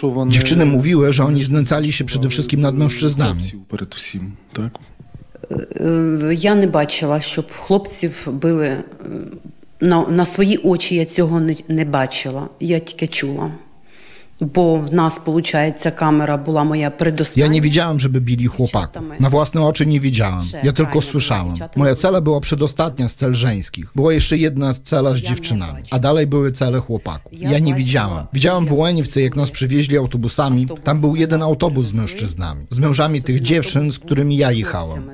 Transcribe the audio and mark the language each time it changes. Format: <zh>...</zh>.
<pl>Dziewczyny mówiły, że oni znęcali się przede wszystkim nad mężczyznami. Tak? Ja nie</pl> <uk>bачила, щоб хлопців били на свої очі, я цього не бачила. Я тільки чула. Бо в нас, виходить, камера була моя предостання.</uk> <pl>Ja nie widziałam, żeby bili chłopaka. Na własne oczy nie widziałam. Ja tylko słyszałam. Moja cela była przedostatnia z cel żeńskich. Była jeszcze jedna cela z dziewczynami. A dalej były cele chłopaków. Ja nie widziałam. Widziałam w Łeniwce, jak nas przywieźli autobusami. Tam był jeden autobus z mężczyznami. Z mężami tych dziewczyn, z którymi ja jechałam.</pl>